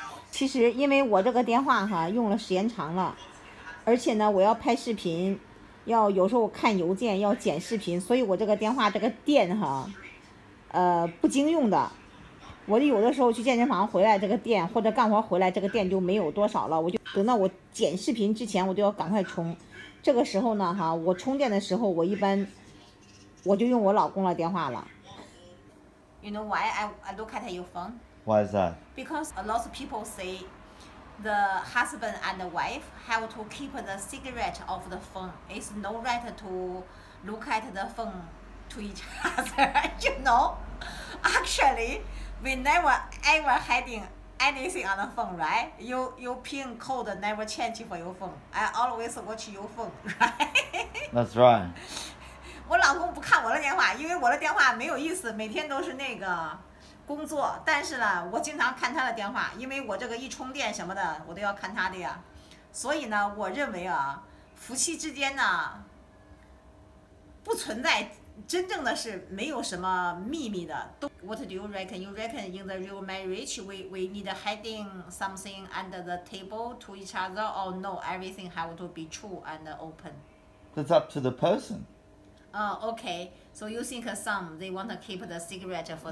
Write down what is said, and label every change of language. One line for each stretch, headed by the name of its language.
Chinese: 其实因为我这个电话哈用了时间长了，而且呢我要拍视频，要有时候看邮件要剪视频，所以我这个电话这个电哈不经用的，我有的时候去健身房回来这个电或者干活回来这个电就没有多少了，我就等到我剪视频之前我就要赶快充。这个时候呢哈，我充电的时候我一般我就用我老公的电话了。
English: You know why I look at your phone? Why is that? Because a lot of people say the husband and the wife have to keep the cigarette off the phone. It's no right to look at the phoneTo each other, you know. Actually, we never ever hiding anything on the phone, right? Your PIN code never change for your phone. I always watch your phone, right? That's right.
Chinese: 我老公不看我的电话，因为我的电话没有意思，每天都是那个工作。但是呢，我经常看他的电话，因为我这个一充电什么的，我都要看他的呀。所以呢，我认为啊，夫妻之间呢，不存在。真正的是没有什么秘密的。
English: What do you reckon? You reckon in the real marriage, we need hiding something under the table to each other, or no, everything have to be true and open? That's up to the person. OK. So you think some, they want to keep the cigarette for